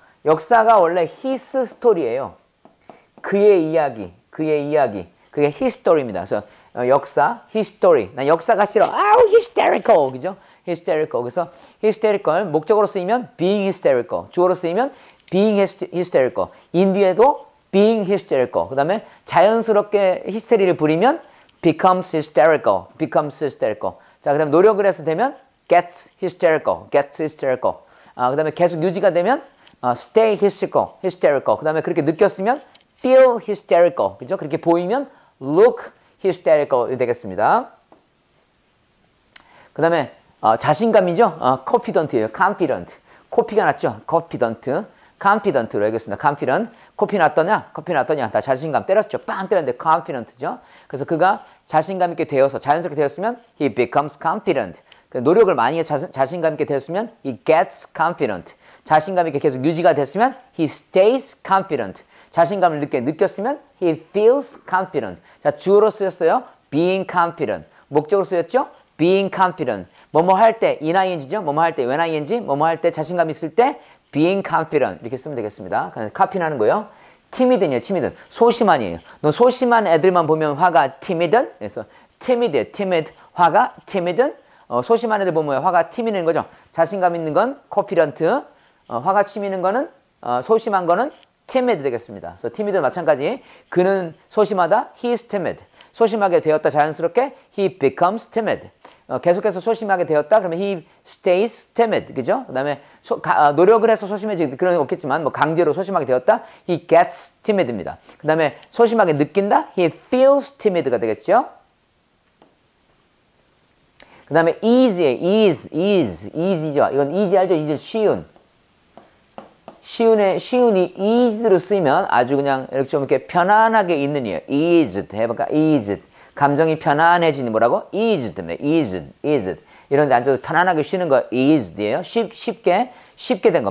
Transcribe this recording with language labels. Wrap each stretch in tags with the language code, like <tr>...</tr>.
<ko>역사가 원래</ko> <en>his story</en> <ko>예요. 그의 이야기. 그의 이야기. 그게 history입니다. 그래서 역사, history. 난 역사가 싫어.</ko> <en>아우, hysterical.</en> <ko>그죠? hysterical. 그래서 hysterical 목적으로 쓰이면</ko> <en>being hysterical.</en> <ko>주어로 쓰이면</ko> <en>being hysterical. 인디에도 being hysterical.</en> <ko>그 다음에 자연스럽게 히스테리를 부리면</ko> <en>becomes hysterical. becomes hysterical.</en> <ko>자, 그 다음에 노력을 해서 되면</ko> <en>gets hysterical. gets hysterical.</en> <ko>아, 그 다음에 계속 유지가 되면</ko> <en>stay hysterical.</en> <ko>hysterical. 그 다음에 그렇게 느꼈으면</ko> <en>feel hysterical.</en> <ko>그죠? 그렇게 보이면</ko> <en>look hysterical</en> <ko>되겠습니다. 그 다음에 자신감이죠? confident예요. confident. 코피가 났죠? confident. confident로 하겠습니다. confident. 코피 났더냐? 코피 났더냐? 다 자신감 때렸죠? 빵 때렸는데 confident죠? 그래서 그가 자신감 있게 되어서 자연스럽게 되었으면</ko> <en>he becomes confident.</en> <ko>노력을 많이 해서 자신감 있게 되었으면</ko> <en>he gets confident.</en> <ko>자신감 있게 계속 유지가 됐으면</ko> <en>he stays confident.</en> <ko>자신감을 느꼈으면</ko> <en>he feels confident.</en> <ko>자, 주어로 쓰였어요?</ko> <en>being confident.</en> <ko>목적으로 쓰였죠? being confident. 뭐뭐 할 때,</ko> <en>in ing</en> <ko>죠? 뭐뭐 할 때,</ko> <en>when ing,</en> <ko>뭐뭐 할 때, 자신감 있을 때,</ko> <en>being confident.</en> <ko>이렇게 쓰면 되겠습니다. 그냥 카피 나는 거예요.</ko> <en>timid이에요, timid.</en> <ko>소심한이에요. 너 소심한 애들만 보면 화가 timid.</ko> <en>그래서 timid, timid.</en> <ko>화가 timid. 소심한 애들 보면 화가 timid인 거죠. 자신감 있는 건 confident. 화가 치미는 거는, 소심한 거는 timid 되겠습니다. 그래서 timid도 마찬가지. 그는 소심하다,</ko> <en>he is timid.</en> <ko>소심하게 되었다, 자연스럽게,</ko> <en>he becomes timid.</en> <ko>계속해서 소심하게 되었다, 그러면</ko> <en>he stays timid.</en> <ko>그죠? 그 다음에, 노력을 해서 소심해지기, 그런 게 없겠지만, 뭐, 강제로 소심하게 되었다,</ko> <en>he gets timid</en> <ko>입니다. 그 다음에, 소심하게 느낀다,</ko> <en>he feels timid</en> <ko>가 되겠죠? 그 다음에,</ko> <en>easy, ease, ease, easy죠.</en> <ko>이건 easy 알죠? 이제 쉬운. 쉬운이 eased로 쓰이면 아주 그냥 이렇게 좀 이렇게 편안하게 있는 이에요.</ko> <en>eased. 해볼까? eased.</en> <ko>감정이 편안해지는 뭐라고?</ko> <en>eased. eased. eased.</en> <ko>이런데 앉아도 편안하게 쉬는 거 eased예요. 쉽게 된 거.</ko>